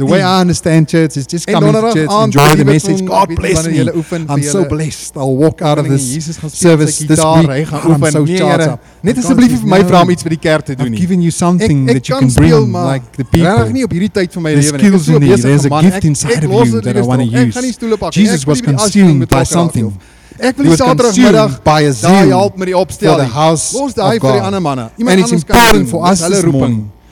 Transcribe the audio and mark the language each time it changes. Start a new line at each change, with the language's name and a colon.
English: the way I understand church is just coming to church, enjoy the message. God bless me. I'm so blessed. I'll walk out of this service this week. I'm so charged up.
Afrikaans: Net asseblief vir my vra om iets vir die kerk te doen.
English: Giving you something that you can bring, like the people. The skills you need, there's a gift inside of you that I want to use. Jesus was consumed by something. He was consumed by a zeal for the house of God. And it's important for us this morning